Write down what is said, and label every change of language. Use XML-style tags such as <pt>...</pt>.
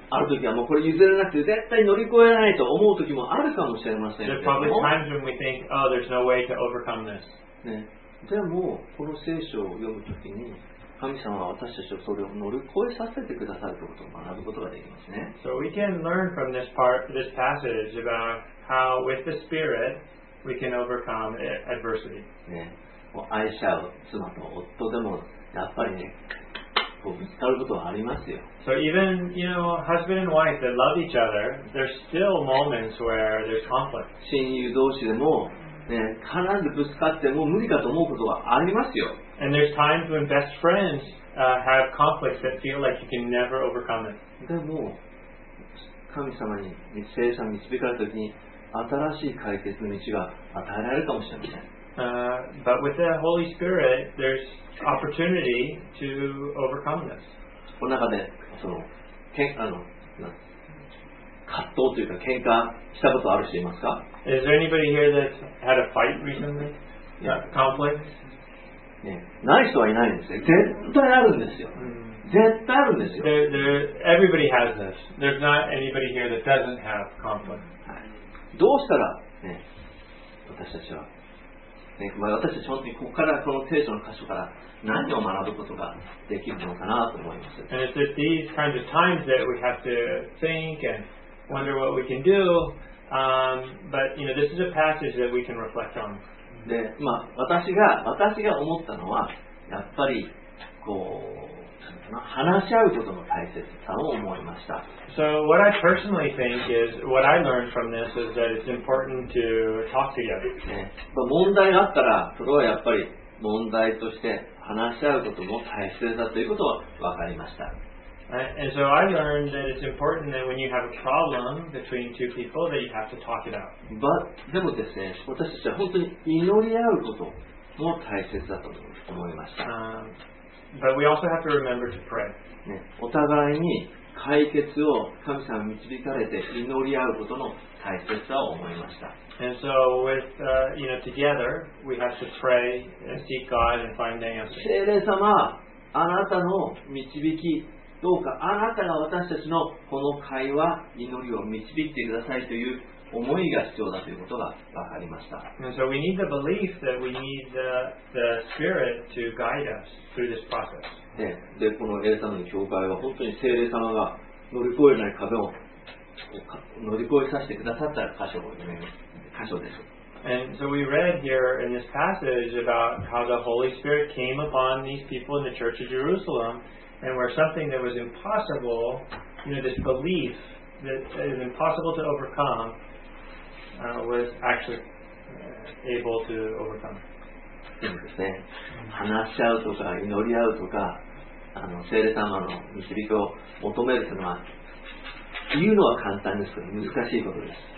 <ja>ある時はもうこれ譲れなくて絶対乗り越えないと思う時もあるかもしれません。</ja> <en>There's probably times when we think, oh, there's no way to overcome this.</en> <ja>ね。でもこの聖書を読む時に神様は私たちをそれを乗り越えさせてくださるということを学ぶことができますね。</ja> <en>So we can learn from this part, this passage about how with the Spirit we can overcome adversity.</en> <ja>ね、もう愛し合う妻と夫でもやっぱりね、こうぶつかることはありますよ。</ja> <en>So even, you know, husband and wife that love each other, there's still moments where there's conflict.</en> <ja>親友同士でも、ね、必ずぶつかってもう無理かと思うことはありますよ。</ja> <en>And there's times when best friends have conflicts that feel like you can never overcome it.</en> <ja>でも神様に聖書に導かれた時に新しい解決の道が与えられるかもしれません。</ja> <en>But with the Holy Spirit, there's opportunity to overcome this.</en> <ja>この中でその葛藤というか喧嘩したことある人いますか？</ja> <en>Is there anybody here that had a fight recently? Yeah, conflict?</en> <ja>ね、ない人はいないんですよ。絶対あるんですよ。絶対あるんですよ。</ja> <en>Everybody has this. There's not anybody here that doesn't have conflict.</en> <ja>どうしたら、ね、私たちは、ね、まあ、私たちは本当にここからこの聖書の箇所から何を学ぶことができるのかなと思います。</ja> <en>And it's these kinds of times that we have to think and wonder what we can do. But you know, this is a passage that we can reflect on.</en> <ja>でまあ、私が思ったのはやっぱりこう話し合うことの大切さを思いました。</ja> <en>So what I personally think is what I learned from this is that it's important to talk together.、</en> <ja>ね、まあ、問題があったらそれはやっぱり問題として話し合うことも大切だということは分かりました。</ja> <en>And so I learned that it's important that when you have a problem between two people that you have to talk it out. But</en> <ja>でもですね、私たちは本当に祈り合うことも大切だと思いました。</ja> <en>But we also have to remember to pray.、</en> <ja>ね、お互いに解決を神様に導かれて祈り合うことの大切さを思いました。</ja> <en>And so with, you know, together we have to pray and seek God and find the answer.</en> <ja>聖霊様、あなたの導き、どうかあなたが私たちのこの会話祈りを導いてくださいという思いが必要だということが分かりました。</ja> <en>And so we need the belief that we need the Spirit to guide us through this process.</en> <ja>で、このエルサレムの教会は本当に聖霊様が乗り越えない壁を乗り越えさせてくださった箇所です。</ja> <en>And so we read here in this passage about how the Holy Spirit came upon these people in the Church of Jerusalem. And where something that was impossible, you know, this belief that is impossible to overcome, was actually able to overcome.</en> <ja>ですね。話し合うとか祈り合うとか、聖霊様の導きを求めるというのは、言うのは簡単ですけど難しいことです。</ja>